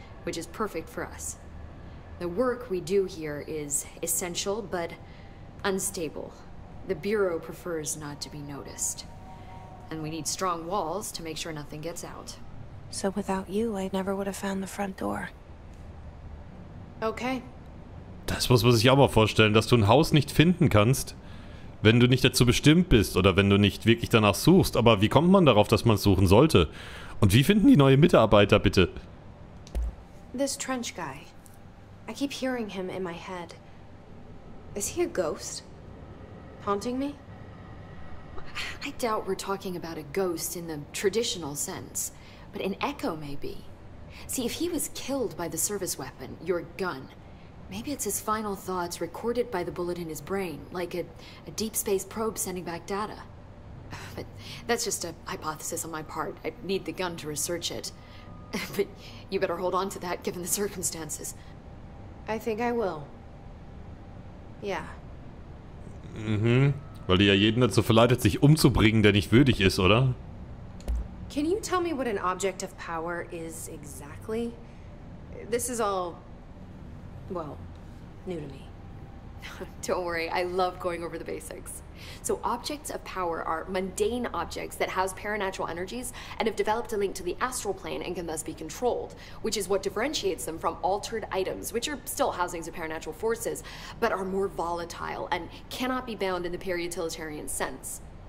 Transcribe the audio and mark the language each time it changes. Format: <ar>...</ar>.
<en>Which is perfect for us. The work we do here is essential, but unstable. The Bureau prefers not to be noticed. And we need strong walls to make sure nothing gets out. So without you, I never would have found the front door. Okay.</en> <de>Das muss man sich auch mal vorstellen, dass du ein Haus nicht finden kannst, wenn du nicht dazu bestimmt bist oder wenn du nicht wirklich danach suchst. Aber wie kommt man darauf, dass man es suchen sollte? Und wie finden die neue Mitarbeiter bitte?</de> <en>This trench guy. I keep hearing him in my head. Is he a ghost? Haunting me? I doubt we're talking about a ghost in the traditional sense, but an echo maybe. See, if he was killed by the service weapon, your gun, maybe it's his final thoughts recorded by the bullet in his brain, like a deep space probe sending back data. But that's just a hypothesis on my part. I'd need the gun to research it. But you better hold on to that, given the circumstances. I think I will. Yeah. Mhm.</en> <de>Weil die ja jeden dazu verleitet, sich umzubringen, der nicht würdig ist, oder?</de> <en>Can you tell me what an object of power is exactly? This is all, well, new to me. Don't worry, I love going over the basics. So objects of power are mundane objects that house paranatural energies and have developed a link to the astral plane and can thus be controlled, which is what differentiates them from altered items, which are still housings of paranatural forces, but are more volatile and cannot be bound in the peri-utilitarian sense.</en>